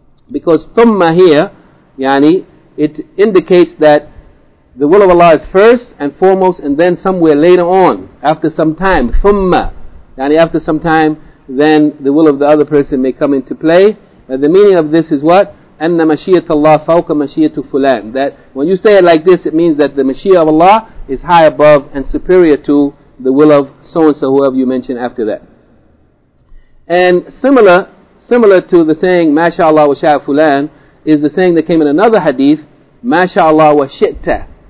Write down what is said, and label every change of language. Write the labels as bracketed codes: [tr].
[en] Because thumma here, yani, it indicates that the will of Allah is first and foremost, and then somewhere later on, after some time, thumma, yani after some time, then the will of the other person may come into play. And the meaning of this is what? [ar] أن مشيئة الله فوق مشيئة فلان. [en] That when you say it like this, it means that the mashiyah of Allah is high above and superior to the will of so and so, whoever you mention after that. And similar to the saying [ar] ما شاء الله وشاء فلان [en] is the saying that came in another hadith, [ar] ما شاء الله وشئت.